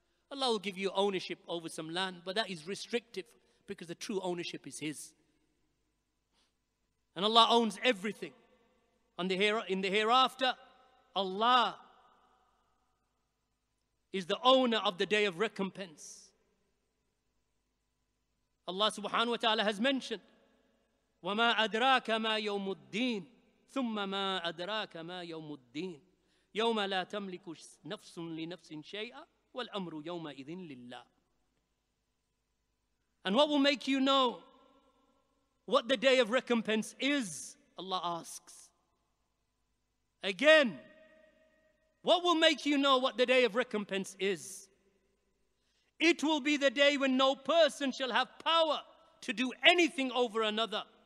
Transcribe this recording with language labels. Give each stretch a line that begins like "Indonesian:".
English: Allah will give you ownership over some land, but that is restrictive because the true ownership is His. And Allah owns everything. In the hereafter, Allah is the owner of the day of recompense. Allah subhanahu wa ta'ala has mentioned,
Arabic: وَمَا أَدْرَاكَ مَا يَوْمُ الدِّينِ ثُمَّ مَا أَدْرَاكَ مَا يَوْمُ الدِّينِ يَوْمَ لَا تَمْلِكُ نَفْسٌ لِنَفْسٍ شَيْئًا وَالْأَمْرُ يَوْمَ إِذٍ لِلَّهِ.
English: And what will make you know what the day of recompense is? Allah asks. Again, what will make you know what the day of recompense is? It will be the day when no person shall have power to do anything over another.